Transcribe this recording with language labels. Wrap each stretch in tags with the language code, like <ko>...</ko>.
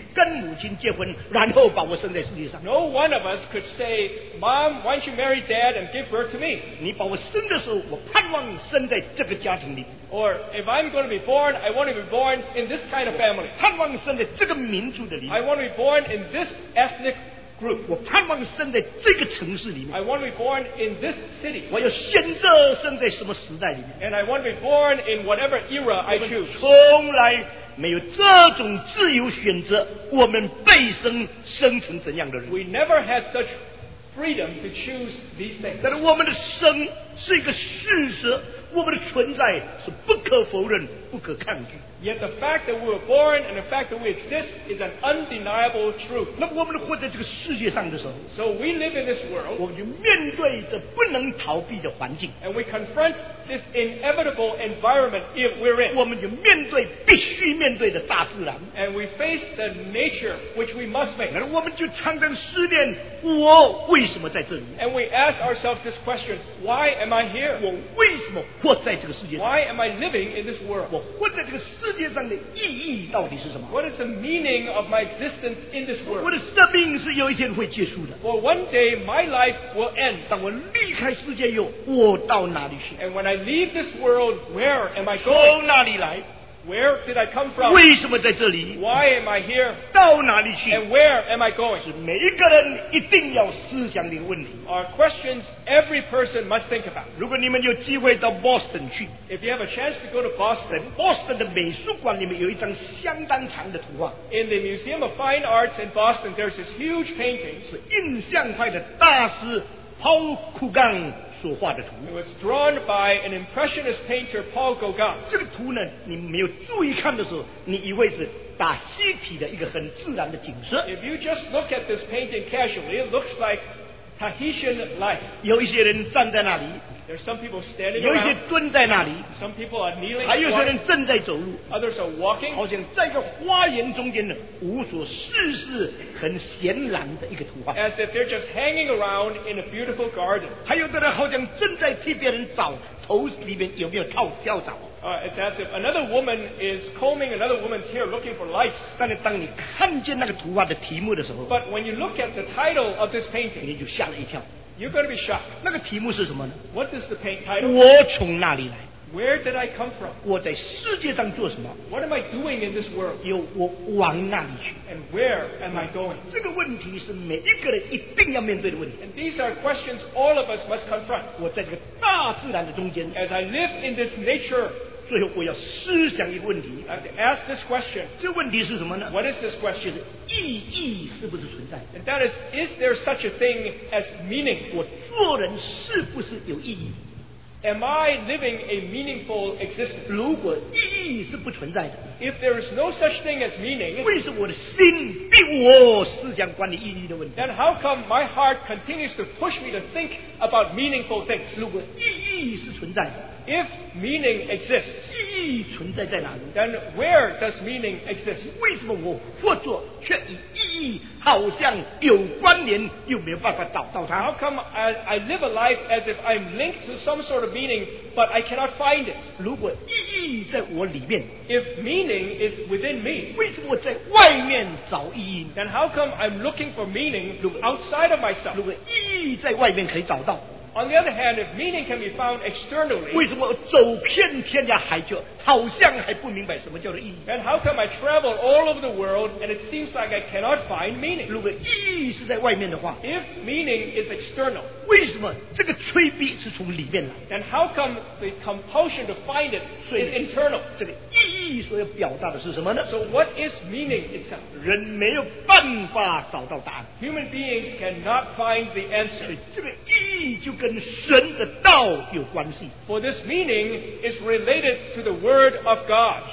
<zh>我们每一个人是要求我的父亲跟母亲结婚，然后把我生在世界上。</zh> <en>No one of us could say, Mom, why don't you marry Dad and give birth to me?</en> <zh>你把我生的时候，我盼望生在这个家庭里。</zh> <en>Or if I'm going to be born, I want to be born in this kind of family.</en> <zh>我盼望生在这个民族的里面。</zh> <en>I want to be born in this ethnic group.</en> <zh>我盼望生在这个城市里面。</zh> <en>I want to be born in this city.</en> <zh>我要选择生在什么时代里面。</zh> <en>And I want to be born in whatever era I choose.</en> <zh>从来没有这种自由选择, 我们被生成怎样的人。</zh> <en>We never had such freedom to choose these things.</en> <zh>但是我们的生是一个事实, 我们的存在是不可否认,</zh> <en>yet the fact that we were born and the fact that we exist is an undeniable truth.</en> <zh>那我们活在这个世界上的时候,</zh> <en>so we live in this world,</en> <zh>我们就面对着不能逃避的环境,</zh> <en>and we confront this inevitable environment if we're in.</en> <zh>我们就面对必须面对的大自然,</zh> <en>and we face the nature which we must face.</en> <zh>那我们就常常思念, 我为什么在这里?</zh> <en>And we ask ourselves this question, why am am I here?</en> <zh>我为什么活在这个世界上？</zh> <en>Why am I living in this world?</en> <zh>我活在这个世界上的意义到底是什么？</zh> <en>What is the meaning of my existence in this world?</en> <zh>我的生命是有一天会结束的。</zh> <en>For one day my life will end.</en> <zh>当我离开世界后，我到哪里去？</zh> <en>And when I leave this world, where am I going?</en> <zh>从哪里来？</zh> <en>Where did I come from?</en> <zh>为什么在这里?</zh> <en>Why am I here?</en> <zh>到哪里去?</zh> <en>And where am I going?</en> <zh>是每一个人一定要思想的问题。</zh> <en>Are questions every person must think about.</en> <zh>如果你们有机会到 Boston 去,</zh> <en>If you have a chance to go to Boston,</en> <zh>Boston 的美术馆里面有一张相当长的图画。</zh> <en>In the Museum of Fine Arts in Boston, there's this huge painting.</en> <zh>是印象派的大师 Paul Gauguin所画的图。</zh> <en>It was drawn by an impressionist painter Paul Gauguin.</en> <zh>这个图呢，你没有注意看的时候，你以为是打西体的一个很自然的景色。</zh> <en>If you just look at this painting casually, it looks like Tahitian life.</en> <zh>有一些人站在那里。</zh> <en>There's some people standing.</en> <zh>有一些蹲在那里。</zh> <en>Some people are kneeling.</en> <zh>还有些人正在走路。</zh> <en>Others are walking.</en> <zh>好像在一个花园中间呢，无所事事，很闲懒的一个图画。</zh> <en>As if they're just hanging around in a beautiful garden.</en> <zh>还有的人好像正在替别人找头里面有没有跳跳蚤。</zh> <en>It's as if another woman is combing another woman's hair looking for lice.</en> <zh>但是当你看见那个图画的题目的时候</zh> <en>，But when you look at the title of this painting,</en> <zh>你就吓了一跳。</zh> <en>You're going to be shocked.</en> <zh>那个题目是什么呢</zh> <en>？What is the paint title?</en> <zh>我从哪里来</zh> <en>？Where did I come from?</en> <zh>我在世界上做什么</zh> <en>？What am I doing in this world?</en> <zh>又我往哪里去</zh> <en>？And where am I going?</en> <zh>这个问题是每一个人一定要面对的问题。</zh> <en>And these are questions all of us must confront.</en> <zh>我在这个大自然的中间。</zh> <en>As I live in this nature.</en> <zh>最后我要思想一个问题。</zh> <en>I have to ask this question.</en> <zh>这问题是什么呢</zh> <en>？What is this question?</en> <zh>意义是不是存在</zh> <en>？And that is there such a thing as meaning?</en> <zh>我做人是不是有意义</zh> <en>？Am I living a meaningful existence?</en> <zh>如果意义是不存在的</zh> <en>，If there is no such thing as meaning，</en> <zh>为什么我的心逼我思想关于意义的问题</zh> <en>？Then how come my heart continues to push me to think about meaningful things？</en> <zh>如果意义是存在的。</zh> <en>If meaning exists,</en> <zh>意义存在在哪里？</zh> <en>Then where does meaning exist?</en> <zh>为什么我或者却与意义好像有关联，又没有办法找到它？</zh> <en>How come I live a life as if I'm linked to some sort of meaning, but I cannot find it?</en> <zh>如果意义在我里面，</zh> <en>If meaning is within me,</en> <zh>为什么我在外面找意义？</zh> <en>Then how come I'm looking for meaning outside of myself?</en> <zh>如果意义在外面可以找到。</zh> <en>On the other hand, if meaning can be found externally,</en> <zh>为什么我走遍天涯海角，好像还不明白什么叫做意义？</zh> <en>And how come I travel all over the world and it seems like I cannot find meaning?</en> <zh>如果意义是在外面的话，</zh> <en>if meaning is external,</en> <zh>为什么这个催逼是从里面来？</zh> <en>Then how come the compulsion to find it is internal?</en> <zh>这个意义所要表达的是什么呢？</zh> <en>So what is meaning itself?</en> <zh>人没有办法找到答案。</zh> <en>Human beings cannot find the answer.</en> <zh>这个意义就跟神的道有关系。</zh> <en>For this meaning is related to the word of God.</en>